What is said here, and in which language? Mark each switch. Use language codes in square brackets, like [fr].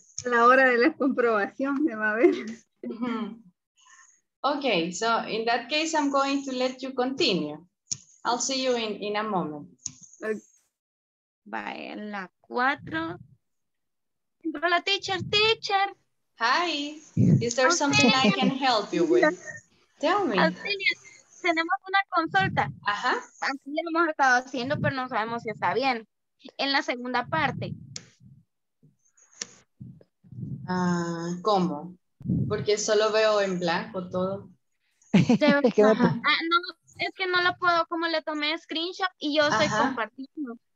[es] A la hora de la comprobación me va a ver. Mm-hmm. [en] Okay, so in that case, I'm going to let you continue. I'll see you in a moment. Okay. Bye, [es] la cuatro. Hola, [en] teacher, teacher. Hi, is there something I can help you with? Tell me. [es] Tenemos una consulta. Ajá. Así lo hemos estado haciendo, pero no sabemos si está bien. En la segunda parte. ¿Cómo? Porque solo veo en blanco todo. No, es que no lo puedo, como le tomé screenshot y yo estoy compartiendo.